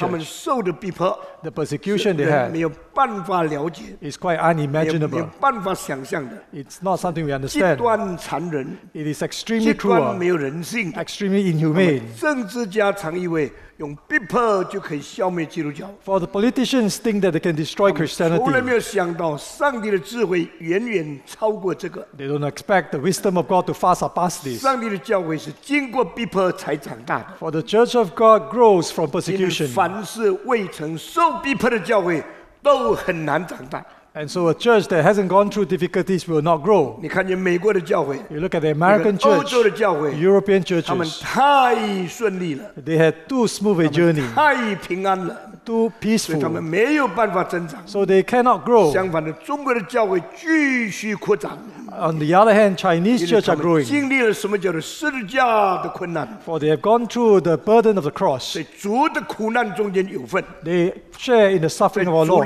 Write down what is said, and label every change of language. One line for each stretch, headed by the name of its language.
Chinese: 他们受的逼迫，
English: the persecution they had，
Chinese: 没有办法了解，
English: is quite unimaginable，
Chinese: 没有办法想象的，
English: it's not something we understand，
Chinese: 极端残忍，
English: it is extremely cruel，
Chinese: 极端没有人性，
English: extremely inhumane，
Chinese: 政治家常以为用逼迫就可以消灭基督教。
English: For the politicians think that they can destroy Christianity.
Chinese: 从来没有想到上帝的智慧远远超过这个。
English: They don't expect the wisdom of God to far surpass this.
Chinese: 上帝的教会是经过逼迫才长大的。
English: For the church of God grows from persecution.
Chinese: 凡是未曾受逼迫的教会都很难长大。
English: And so a church that hasn't gone through difficulties will not grow.
Chinese: 你看见美国的教会，
English: you look at the American church,
Chinese: 欧洲的教会，
English: European churches,
Chinese: 他们太顺利了，
English: they had too smooth a journey,
Chinese: 他们太平安了，
English: too peaceful,
Chinese: 所以他们没有办法增长，
English: so they cannot grow.
Chinese: 相反的，中国的教会继续扩展。
English: On the other hand, Chinese church are growing.
Chinese: 经历了什么叫做十字架的困难？
English: For they have gone through the burden of the cross.
Chinese: 在主的苦难中间有份。
English: They share in the suffering of our Lord.